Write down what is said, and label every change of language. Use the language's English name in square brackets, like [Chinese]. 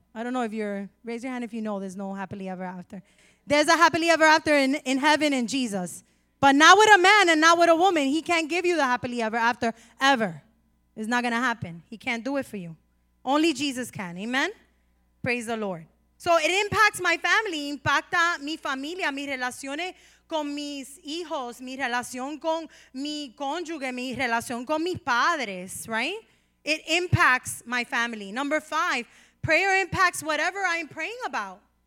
[English] I don't know if you're, raise your hand if you know there's no happily ever after. There's a happily ever after in heaven in Jesus. But not with a man and not with a woman. He can't give you the happily ever after ever. It's not going to happen. He can't do it for you. Only Jesus can, amen? Praise the Lord. So it impacts my family, [Spanish] impacta mi familia, mis relaciones con mis hijos, mi relación con mi cónyuge, mi relación con mis padres, right? [English] It impacts my family. Number five, prayer impacts whatever I'm praying about.